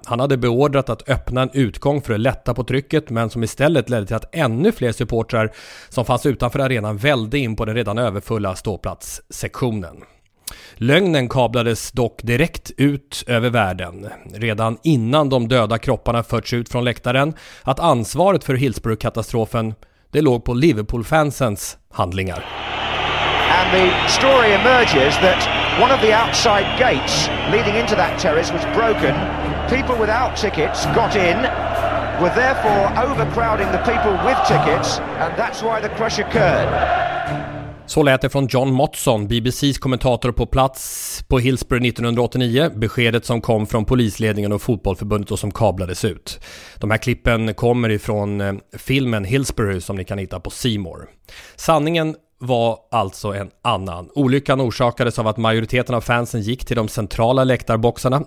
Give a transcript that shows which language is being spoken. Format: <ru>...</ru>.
<sv>Han hade beordrat att öppna en utgång för att lätta på trycket men som istället ledde till att ännu fler supportrar som fanns utanför arenan vällde in på den redan överfulla ståplatssektionen. Lögnen kablades dock direkt ut över världen. Redan innan de döda kropparna förts ut från läktaren att ansvaret för Hillsborough-katastrofen det låg på Liverpool-fansens handlingar.</sv> <en>And the story emerges that one of the outside gates leading into that terrace was broken. People without tickets got in, were therefore overcrowding the people with tickets, and that's why the crush occurred.</en> <sv>Så lät det från John Motson, BBCs kommentator på plats på Hillsborough 1989, beskedet som kom från polisledningen och fotbollförbundet och som kablades ut. De här klippen kommer ifrån filmen Hillsborough som ni kan hitta på C-more. Sanningen var alltså en annan. Olyckan orsakades av att majoriteten av fansen gick till de centrala läktarboxarna.</sv>